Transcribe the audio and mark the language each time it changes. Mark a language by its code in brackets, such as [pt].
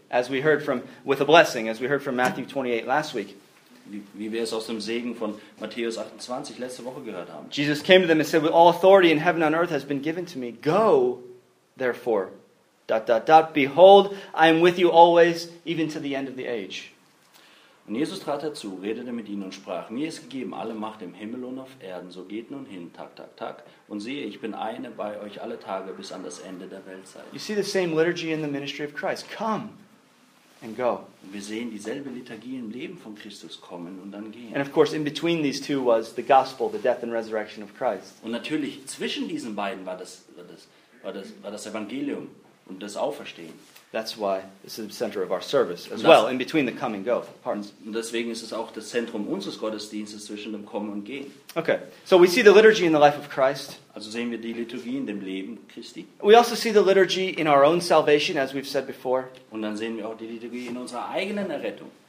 [en] As we heard from with a blessing, as we heard from Matthew 28 last week. [de] Wie wir es aus dem Segen von Matthäus 28 letzte Woche gehört haben. [en] Jesus came to them and said, with all authority in heaven and on earth has been given to me. Go, therefore. Behold, I am with you always, even to the end of the age. [de] Und Jesus trat dazu, redete mit ihnen und sprach, mir ist gegeben alle Macht im Himmel und auf Erden, so geht nun hin, und siehe, ich bin eine bei euch alle Tage bis an das Ende der Weltzeit. [en] You see the same liturgy in the ministry of Christ. Come. And go. [de] Wir sehen dieselbe Liturgie im Leben von Christus kommen und dann gehen. [en] And of course, in between these two was the gospel, the death and resurrection of Christ. [de] Und natürlich zwischen diesen beiden war das Evangelium und das Auferstehen. [en] That's why this is the center of our service as well. In between the come and go. Pardon. [de] Und deswegen ist es auch das Zentrum unseres Gottesdienstes zwischen dem Kommen und Gehen. [en] Okay. So we see the liturgy in the life of Christ. [de] Also sehen wir die Liturgie in dem Leben Christi. [en] We also see the liturgy in our own salvation, as we've said before. [de] Und dann sehen wir auch die Liturgie in unserer eigenen Errettung.